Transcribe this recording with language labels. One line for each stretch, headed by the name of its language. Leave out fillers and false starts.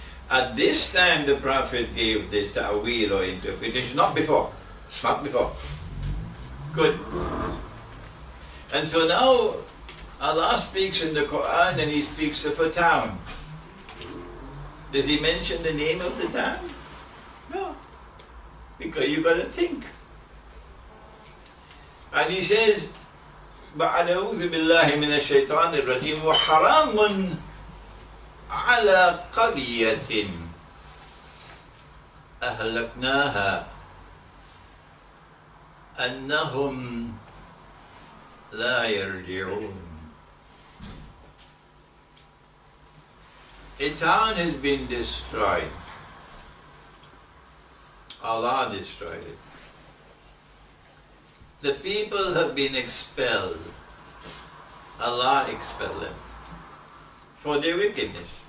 English: At this time the Prophet gave this ta'wil or interpretation, not before. Good. And so now Allah speaks in the Quran and He speaks of a town. Did He mention the name of the town? No. Because you gotta think. And He says,
Arabic: بعد أعوذ بالله من الشيطان الرجيم وحرام على قرية أهلكناها أنهم لا يرجعون.
English: A town has been destroyed. Allah destroyed it. The people have been expelled. Allah expelled them for their wickedness.